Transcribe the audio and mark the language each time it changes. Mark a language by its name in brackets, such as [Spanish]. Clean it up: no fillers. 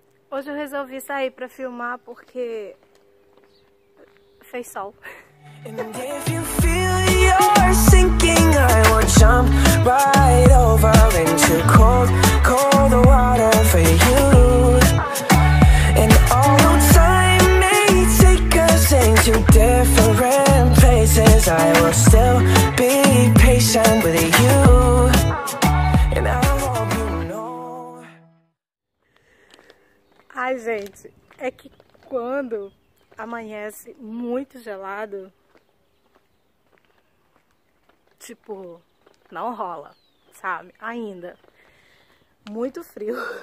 [Portuguese] Hoje eu resolvi sair pra filmar porque fez sol. [English] And if you feel you're sinking, I will jump right over into cold, cold water for you. And although time may take us into different places, I will still be patient with you. And I hope you know. [Portuguese] Ai, gente, é que quando amanhece muito gelado, tipo, não rola, sabe? Ainda. Muito frio.